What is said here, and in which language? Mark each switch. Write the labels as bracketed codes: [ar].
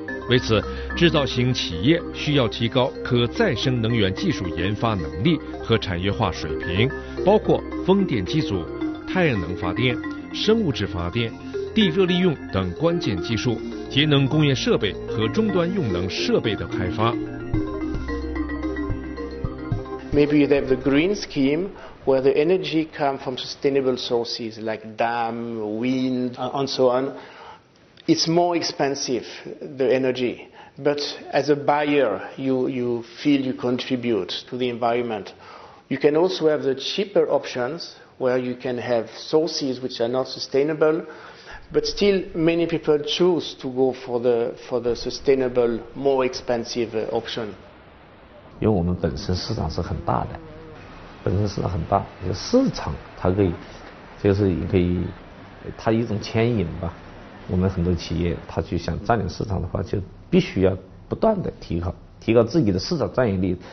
[zh] 为此，制造型企业需要提高可再生能源技术研发能力和产业化水平，包括风电机组、太阳能发电、生物质发电、地热利用等关键技术，节能工业设备和终端用能设备的开发。 [en] Maybe they have the green scheme where the energy comes from sustainable sources like dam, wind, and so on. It's more expensive, the energy. But as a buyer, you feel you contribute to the environment. You can also have the cheaper options where you can have sources which are not sustainable, but still many people choose to go for the sustainable, more expensive option. [zh] 因为我们本身市场是很大的，本身市场很大，就市场它可以，就是也可以，它一种牵引吧。我们很多企业，它去想占领市场的话，就必须要不断的提高自己的市场占有率。